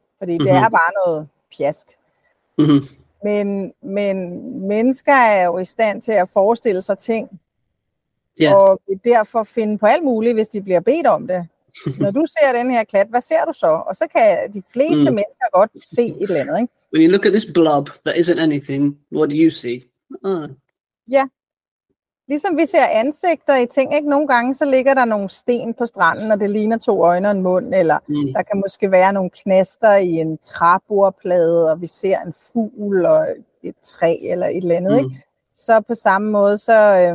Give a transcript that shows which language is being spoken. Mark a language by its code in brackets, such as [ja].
[da] Fordi det er bare noget pjask. Mm-hmm. Men mennesker er jo i stand til at forestille sig ting. [en] Yeah. [da] Og derfor finde på alt muligt, hvis de bliver bedt om det. Når du ser den her klat, hvad ser du så? Og så kan de fleste mennesker godt se et eller andet, ikke? [en] When you look at this blob that isn't anything, what do you see? [da] Ja. Ligesom vi ser ansigter i ting, ikke? Nogle gange så ligger der nogle sten på stranden, og det ligner to øjne og en mund, eller der kan måske være nogle knaster i en træbordplade, og vi ser en fugl og et træ eller et eller andet, ikke? Så på samme måde så